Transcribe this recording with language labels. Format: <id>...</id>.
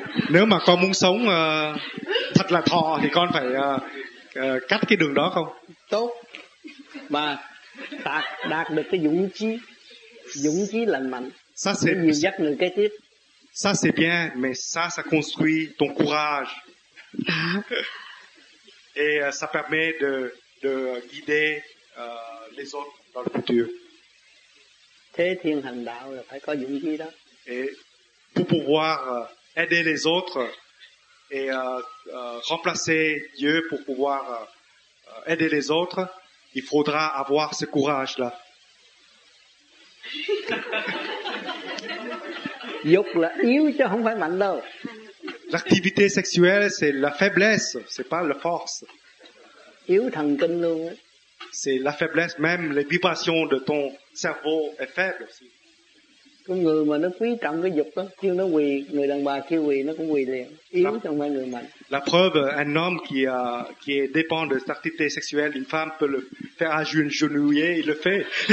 <vi>Nếu mà con muốn sống thật là thọ thì con phải cắt cái đường đó không? Tốt. Mà đạt được cái dũng chí lành mạnh.</vi> <fr>Ça c'est bien,</fr> <vi>dắt người kế tiếp.</vi> <fr>Ça c'est bien, mais ça construit ton courage. Et ça permet de guider les autres dans le futur.</fr> <vi>Thế thiên hành đạo là phải có dũng chí đó.</vi> <fr>Et pour pouvoir aider les autres et remplacer Dieu pour pouvoir aider les autres, il faudra avoir ce courage-là.</fr> <vi>Dục là yếu chứ không phải mạnh đâu.</vi> <fr>L'activité sexuelle, c'est la faiblesse, c'est pas la force.</fr> <vi>Yếu thần kinh luôn.</vi> <fr>c'est la faiblesse, même les vibrations de ton cerveau est faible aussi.</fr> <vi>Con người mà nó quý trọng cái dục đó, kêu nó quỳ, người đàn bà kêu quỳ nó cũng quỳ liền, yếu trong vai người mạnh.</vi> <fr>La preuve, un homme qui est dépend de sa activité sexuelle, une femme peut le faire agenouiller, il le fait.</fr>